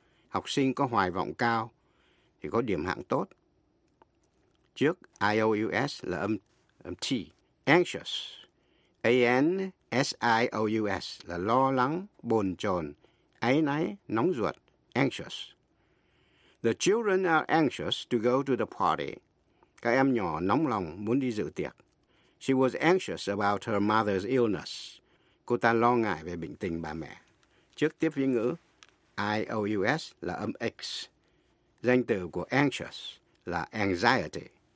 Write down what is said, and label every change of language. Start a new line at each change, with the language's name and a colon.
Vietnamese: Học sinh có hoài vọng cao thì có điểm hạng tốt. Trước I-O-U-S là âm T. Anxious. A-N-S-I-O-U-S là lo lắng, bồn chồn, áy náy, nóng ruột.
English: Anxious. The children are anxious to go to the party.
Vietnamese: Các em nhỏ nóng lòng muốn đi dự tiệc.
English: She was anxious about her mother's illness.
Vietnamese: Cô ta lo ngại về bệnh tình bà mẹ. Trước tiếp vĩ ngữ, IOUS là âm X. Danh từ của anxious là anxiety.